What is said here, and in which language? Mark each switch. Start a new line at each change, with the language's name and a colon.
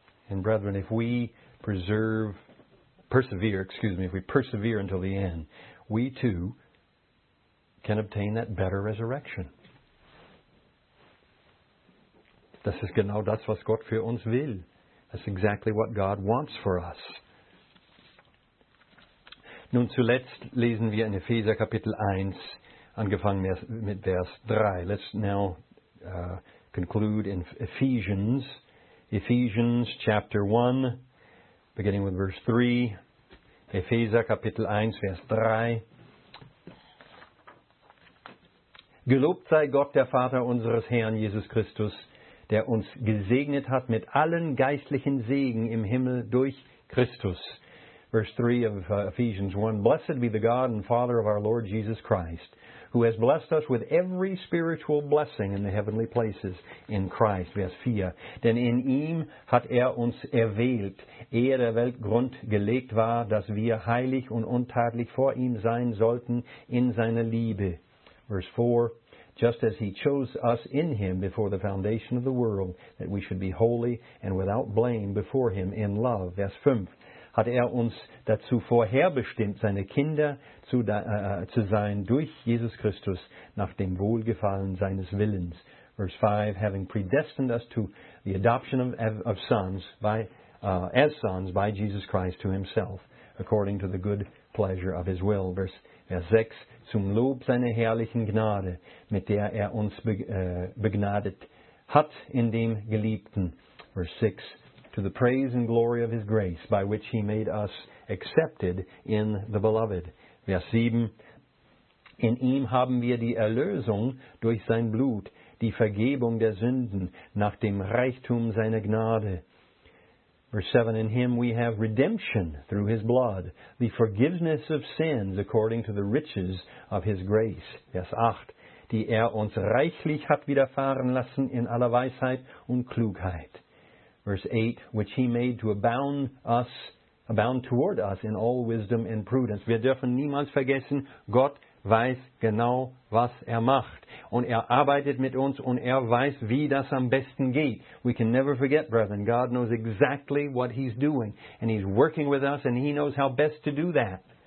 English: And brethren, if we persevere until the end, we too can obtain that better resurrection.
German: Das ist genau das, was Gott für uns will.
English: That's exactly what God wants for us.
German: Nun zuletzt lesen wir in Epheser Kapitel 1, angefangen mit Vers 3.
English: Let's now conclude in Ephesians. Ephesians chapter 1, beginning with verse 3.
German: Epheser Kapitel 1, Vers 3. Gelobt sei Gott, der Vater unseres Herrn Jesus Christus, der uns gesegnet hat mit allen geistlichen Segen im Himmel durch Christus.
English: Verse 3 of Ephesians 1. Blessed be the God and Father of our Lord Jesus Christ, who has blessed us with every spiritual blessing in the heavenly places in Christ.
German: Vers 4. Denn in ihm hat uns erwählt, ehe der Welt Grund gelegt war, dass wir heilig und untadlich vor ihm sein sollten in seiner Liebe.
English: Verse 4. Just as he chose us in him before the foundation of the world, that we should be holy and without blame before him in love.
German: Vers 5. Hat uns dazu vorherbestimmt, seine Kinder zu sein durch Jesus Christus nach dem Wohlgefallen seines Willens.
English: Verse 5, having predestined us to the adoption of sons by as sons by Jesus Christ to himself, according to the good pleasure of his will.
German: Vers 6, zum Lob seiner herrlichen Gnade, mit der uns begnadet hat in dem Geliebten.
English: Verse 6, to the praise and glory of his grace, by which he made us accepted in the beloved.
German: Vers 7, in ihm haben wir die Erlösung durch sein Blut, die Vergebung der Sünden nach dem Reichtum seiner Gnade.
English: Verse 7, in him we have redemption through his blood, the forgiveness of sins according to the riches of his grace.
German: Vers 8, die uns reichlich hat widerfahren lassen in aller Weisheit und Klugheit.
English: Verse 8, which he made to abound toward us in all wisdom and prudence.
German: Wir dürfen niemals vergessen, Gott weiß genau, was macht. Und arbeitet mit uns und weiß, wie das am besten geht.
English: We can never forget, brethren, God knows exactly what he's doing. And he's working with us and he knows how best to do that.